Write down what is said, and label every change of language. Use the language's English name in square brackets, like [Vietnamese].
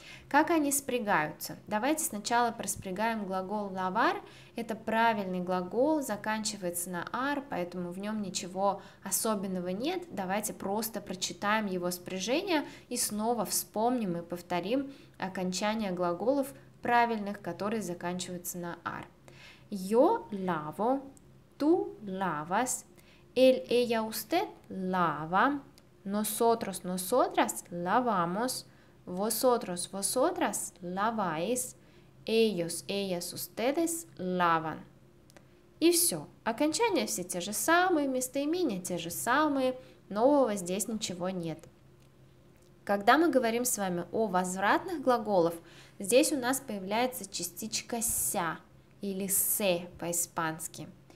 [Russian] Как они спрягаются? Давайте сначала проспрягаем глагол lavar. Это правильный глагол, заканчивается на ar, поэтому в нем ничего особенного нет. Давайте просто прочитаем его спряжение и снова вспомним и повторим окончание глаголов правильных, которые заканчиваются на ar. [Spanish] Yo lavo, tú lavas, él, ella, usted lava, nosotros, nosotras lavamos, vosotros, vosotras laváis, ellos, ellas, ustedes lavan. [Russian] И все. Окончания все те же самые, местоимения те же самые, нового здесь ничего нет. Когда мы говорим с вами о возвратных глаголах, здесь у нас появляется частичка «ся» или «се» по-испански.